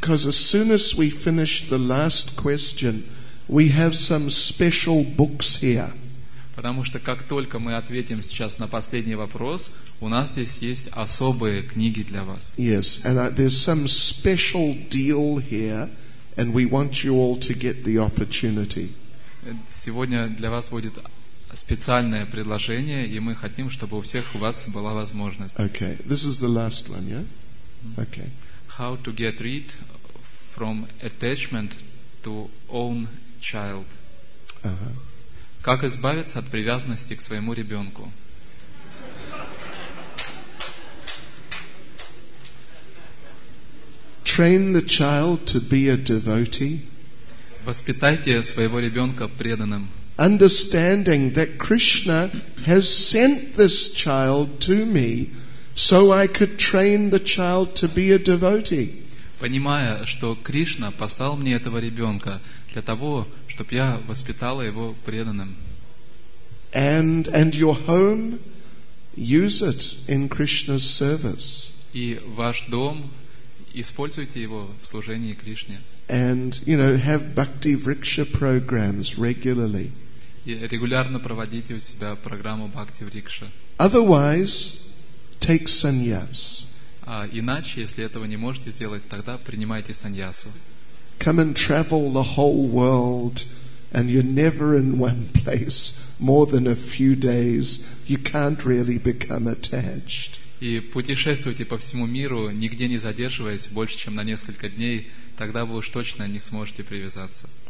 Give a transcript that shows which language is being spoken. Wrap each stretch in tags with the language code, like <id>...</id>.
<en>Because as soon as we finish the last question, We have some special books here.</en> <ru>Потому что как только мы ответим сейчас на последний вопрос, у нас здесь есть особые книги для вас.</ru> <en>Yes, and there's some special deal here, and we want you all to get the opportunity.</en> <ru>Сегодня для вас будет специальное предложение, и мы хотим, чтобы у всех у вас была возможность.</ru> <en>Okay, this is the last one, yeah? Okay. How to get rid from attachment to own child.</en> <ru>Как избавиться от привязанности к своему ребенку?</ru> <en>Train the child to be a devotee.</en> <ru>Воспитайте своего ребенка преданным.</ru> <en>Understanding that Krishna has sent this child to me so I could train the child to be a devotee.</en> <ru>Понимая, что Кришна послал мне этого ребенка для того, чтобы я воспитала его преданным.</ru> <en>And your home, use it in Krishna's service.</en> <ru>И ваш дом, используйте его в служении Кришне.</ru> <en>And, you know, have bhakti vriksha programs regularly.</en> <ru>И регулярно проводите у себя программу бхакти врикша.</ru> <en>Otherwise, take sannyas.</en> <ru>А иначе, если этого не можете сделать, тогда принимайте саньясу.</ru> <en>Come and travel the whole world, and you're never in one place more than a few days. You can't really become attached.</en> <ru>И путешествуйте по всему миру, нигде не задерживаясь больше, чем на несколько дней, тогда вы уж точно не сможете привязаться.</ru>